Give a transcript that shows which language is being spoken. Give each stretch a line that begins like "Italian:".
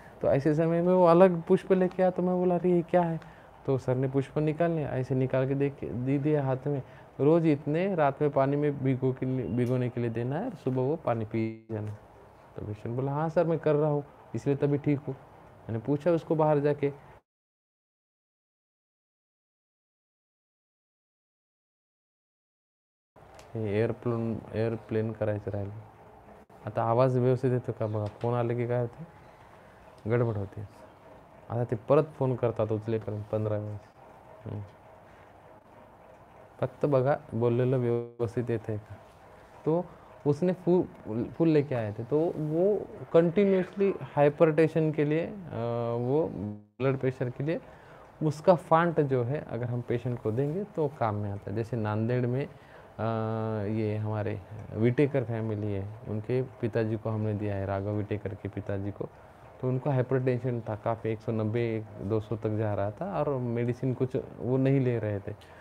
Hindi: तो ऐसे समय में वो अलग पुष्प लेके आया, तो मैं बोला अरे ये क्या है, तो सर ने पुष्प निकाल लिया, ऐसे निकाल के देख दी दिए हाथ में, रोज़ इतने रात में पानी में भिगो के लिए, भिगोने के लिए देना है, और सुबह वो पानी पी जाना। तो भीषण बोला हाँ सर मैं कर रहा हूँ, इसलिए तभी ठीक हूँ। मैंने पूछा उसको बाहर जाके,
Marathi: एयरप्लेन करायचं राहिलं आता, आवाज व्यवस्थित येतो का बघा, फोन आले की काय होते, गडबड होते, आता ते परत फोन करतात उचलेपर्यंत 15 मिनिट, फक्त बघा बोललेलं व्यवस्थित येत आहे का।
Hindi: तो उसने फूल लेके आए थे, तो वो कंटिन्यूअसली हाइपरटेंशन के लिए, वो ब्लड प्रेशर के लिए उसका फांट जो है अगर हम पेशेंट को देंगे तो काम में आता है। जैसे नांदेड़ में ये हमारे विटेकर फैमिली है, उनके पिताजी को हमने दिया है, राघव विटेकर के पिताजी को, तो उनको हाइपरटेंशन था काफ़ी, 190-200 तक जा रहा था, और मेडिसिन कुछ वो नहीं ले रहे थे।